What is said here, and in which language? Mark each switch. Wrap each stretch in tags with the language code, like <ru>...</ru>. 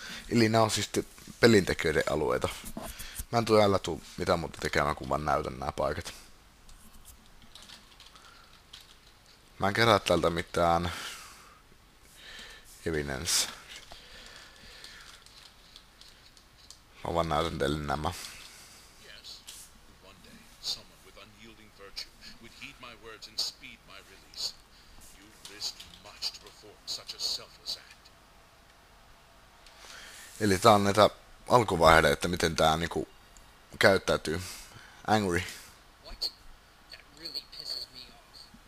<fi>Eli nämä on siis pelintekijöiden alueita. Mä en tule älä mitä muuta tekemään, kun vaan näytän nämä paikat. Mä en kerää täältä mitään evidence. Mä vaan näytän teille nämä.</fi> <en>Yes. One day, someone with unyielding virtue would heed my words and speed my release. You risked much to perform such a selfless act.</en> <fi>Eli tää on näitä alkuvaiheita, että miten tää niinku käyttäytyy.</fi> <en>Angry. What? That really pisses me off.</en>